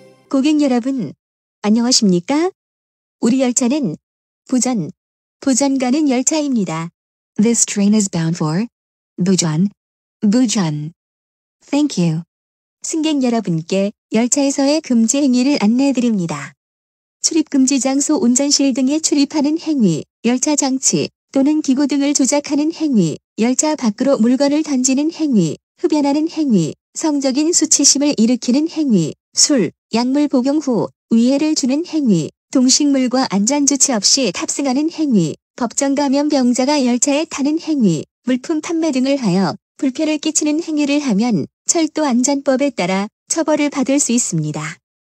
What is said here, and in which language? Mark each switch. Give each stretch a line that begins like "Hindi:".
Korean: 고객 여러분, 안녕하십니까? 우리 열차는 부전, 부전 가는 열차입니다.
English: This train is bound for 부전, 부전. Thank you.
Korean: 승객 여러분께 열차에서의 금지 행위를 안내해드립니다. 출입 금지 장소 운전실 등에 출입하는 행위, 열차 장치 또는 기구 등을 조작하는 행위, 열차 밖으로 물건을 던지는 행위, 흡연하는 행위, 성적인 수치심을 일으키는 행위, 술, 약물 복용 후 위해를 주는 행위, 동식물과 안전조치 없이 탑승하는 행위, 법정 감염병자가 열차에 타는 행위, 물품 판매 등을 하여 불편을 끼치는 행위를 하면 철도안전법에 따라 처벌을 받을 수 있습니다.